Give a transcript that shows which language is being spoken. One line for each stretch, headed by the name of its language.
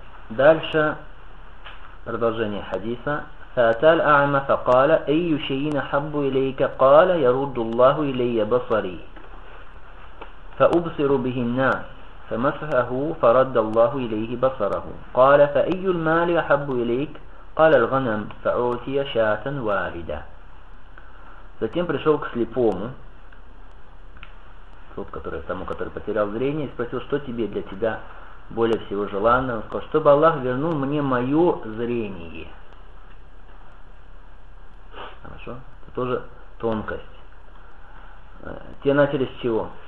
Russian: Дальше продолжение хадиса.
Arabic: فأتال أعمى فقال أي شيء حب إليك قال يرد الله إلي بصري فأبصر به الناس فمسحه فرد الله إليه بصره قال فأي المال أحب إليك قال الغنم فأوتي شاة واردة.
Russian: Затем пришел к слепому, тому, который потерял зрение, и спросил, что тебе для тебя более всего желанно. Он сказал, чтобы Аллах вернул мне мое зрение. Хорошо? Это тоже тонкость. Те начали с чего?